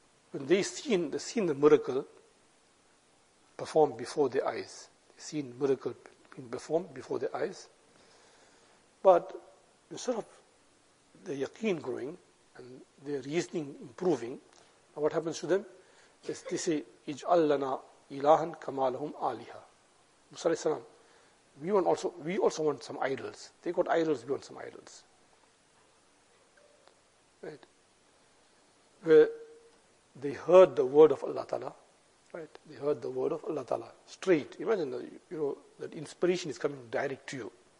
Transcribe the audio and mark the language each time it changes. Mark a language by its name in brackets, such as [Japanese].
[English] When they've seen the miracle performed before their eyes. They've seen miracle being performed before their eyes. But instead of their yaqeen growing and their reasoning improving, what happens to them? Is they say, [Arabic] اِجْعَلْ لَنَا إِلَهًا كَمَا لَهُمْ آلِهَا. [English] Musa alayhi salam, we also want some idols. They got idols, we want some idols. Right? They heard the word of Allah Ta'ala, right? They heard the word of Allah Ta'ala straight. Imagine that, that inspiration is coming direct to you.